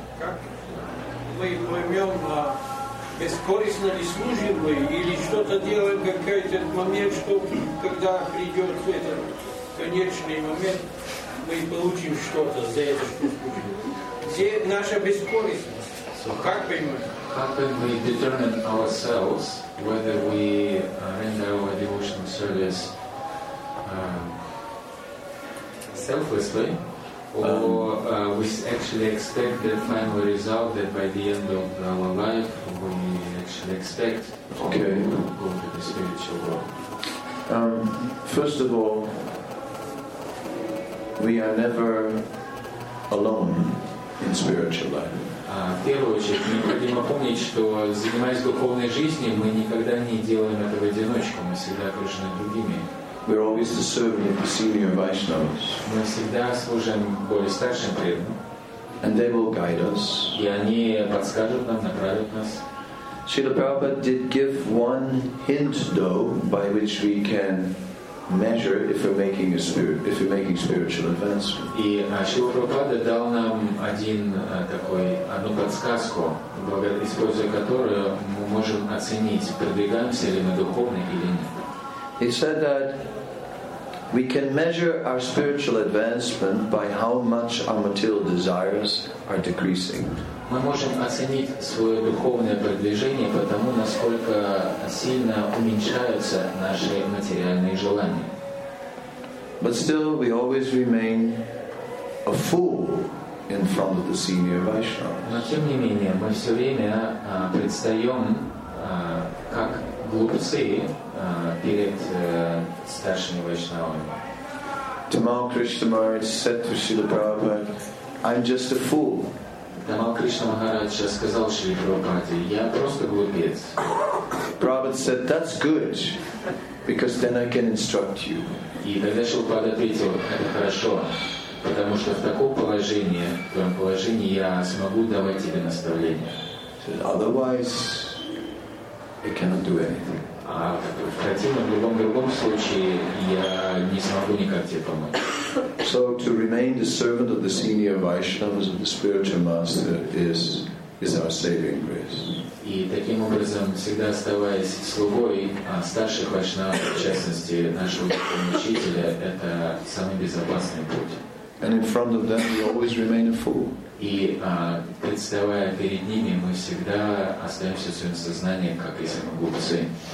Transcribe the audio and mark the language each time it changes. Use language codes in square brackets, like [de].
[ru] Как мы поймем, бескорыстно ли служим мы, или что-то делаем, какой-то момент, что когда придет этот конечный момент, мы получим что-то за эту штуку. [en] How can we determine ourselves whether we render our devotional service selflessly or we actually expect the final result that by the end of our life we actually expect to go to the spiritual world? First of all, we are never alone in spiritual life. [ru] В первую очередь, необходимо помнить, что занимаясь духовной жизнью, мы никогда не делаем это в одиночку, мы всегда окружены другими. [en] We're always the servant of the senior Vaishnavas. [ru] Мы всегда служим более старшим преданным. [en] And they will guide us. [ru] И они подскажут нам, направят нас. [en] Srila Prabhupada did give one hint, though, by which we can measure if we're making spiritual advancement. [ru] И Шрила Прабхупада дал нам одну подсказку, используя которую мы можем оценить, продвигаемся ли мы духовно или нет. [en] He said that we can measure our spiritual advancement by how much our material desires are decreasing. [ru] Мы можем оценить свое духовное продвижение по тому, насколько сильно уменьшаются наши материальные желания. [en] But still, we always remain a fool in front of the senior Vaishnavas. [ru] Но тем не менее, мы все время предстаем как глупцы перед старшими Вайшнавами. [en] Tamal Krishnamurti said to Srila Prabhupada, I'm just a fool. [ru] Tamal Krishna Maharaj сказал Шри Прабхупаде, я просто глупец. [en] Prabhupada said, that's good, because then I can instruct you. [ru] И тогда Шри Прабхупада ответил, это хорошо, потому что в таком положении я смогу давать тебе наставление. [en] Otherwise, I cannot do anything. [ru] А в противном, в любом другом случае, я не смогу никак тебе помочь. [en] So to remain the servant of the senior Vaishnavas of the spiritual master is our saving grace. [ru] И таким образом, всегда оставаясь слугой старших вайшнав, в частности нашего учителя, это самый безопасный путь. [en] And in front of them, we always remain a fool. [ru] И представая перед ними, мы всегда остаемся в своем сознании, как если мы глупцы.